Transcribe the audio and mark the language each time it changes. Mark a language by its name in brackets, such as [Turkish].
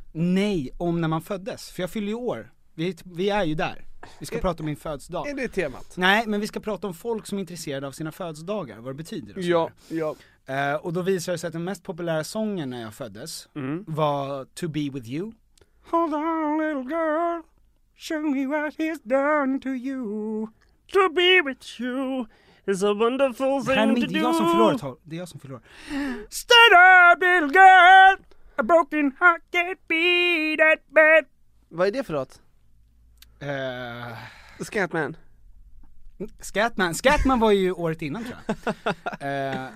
[Swedish] Nej, om när man föddes, för jag fyller ju år Vi är ju där. Vi ska prata om min födelsedag. Är det temat? Nej, men vi ska prata om folk som är intresserade av sina födelsedagar. Vad det betyder. Ja, ja. Och då visade det sig att den mest populära sången när jag föddes var To Be With You. [English] Hold on little girl, show me what he's done to you. To be with you is a wonderful thing to do. [Swedish] Det är jag som förlorar, det är jag som förlorar. [English] Stand up little girl, a broken heart can't be that bad. [Swedish] Vad är det för låt? Scatman. Scatman. Scatman var ju året innan, tror jag.